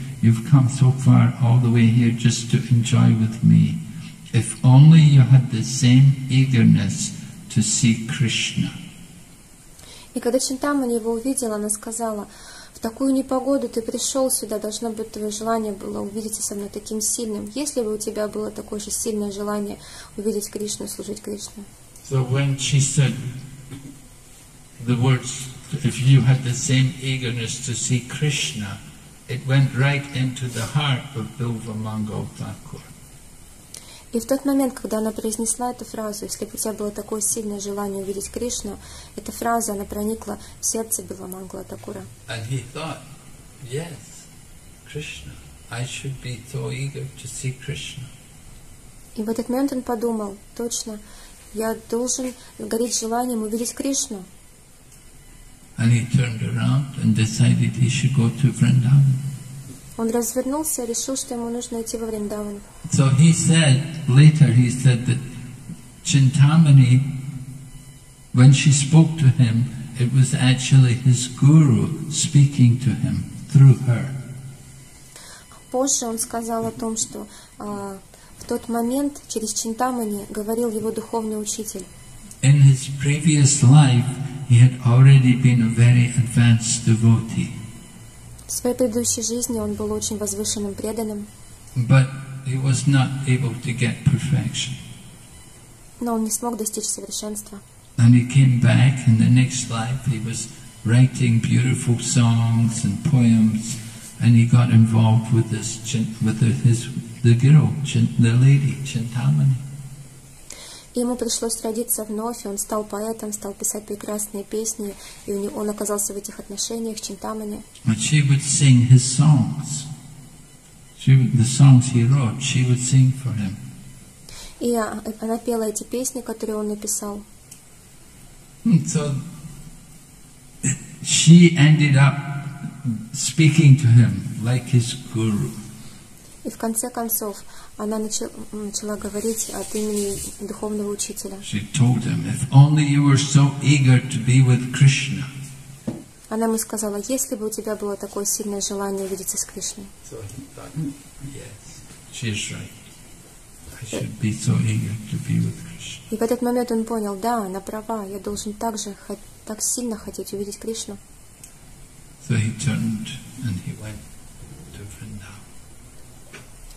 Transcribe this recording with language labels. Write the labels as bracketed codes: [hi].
[en] You've come so far, all the way here, just to enjoy with me. If only you had the same eagerness to see Krishna. [ru] И когда Чинтамани его увидела, она сказала, в такую непогоду ты пришел сюда, должно быть, твое желание было увидеться со мной таким сильным. Если бы у тебя было такое же сильное желание увидеть Кришну, служить Кришне. [en] So when she said the words, if you had the same eagerness to see Krishna, it went right into the heart of Bilvamangala Thakur. [ru] И в тот момент, когда она произнесла эту фразу, если бы у тебя было такое сильное желание увидеть Кришну, эта фраза, она проникла в сердце Биламангала Такура. [en] And he thought, yes, Krishna, I should be so eager to see Krishna. [ru] И в этот момент он подумал, точно, я должен гореть желанием увидеть Кришну. [en] And he turned around and decided he should go to Vrindavan. [ru] Он развернулся и решил, что ему нужно идти во Вриндаван. [en] So he said, later he said that Chintamani, when she spoke to him, it was actually his guru speaking to him through her. [ru] Позже он сказал о том, что В тот момент через Чинтамани говорил его духовный учитель. [en] In his previous life, he had already been a very advanced devotee. [ru] В своей предыдущей жизни он был очень возвышенным преданным. [en] But he was not able to get perfection. [ru] Но он не смог достичь совершенства. [en] And he came back in the next life, he was writing beautiful songs and poems, and he got involved with this the lady Чинтамани. [ru] Ему пришлось родиться вновь, и он стал поэтом, стал писать прекрасные песни, и он оказался в этих отношениях с Чинтамани. [en] And she would sing his songs. The songs he wrote, she would sing for him. [ru] И она пела эти песни, которые он написал. [en] So she ended up speaking to him like his guru. [ru] И в конце концов она начала говорить от имени духовного учителя. [en] She told him, "If only you were so eager to be with Krishna." [ru] Она ему сказала, если бы у тебя было такое сильное желание увидеться с Кришной. [en] So he thought, yes, she is right. I should be so eager to be with Krishna. [ru] И в этот момент он понял, да, она права, я должен также так сильно хотеть увидеть Кришну. [en] So he turned and he went to Vrindavan.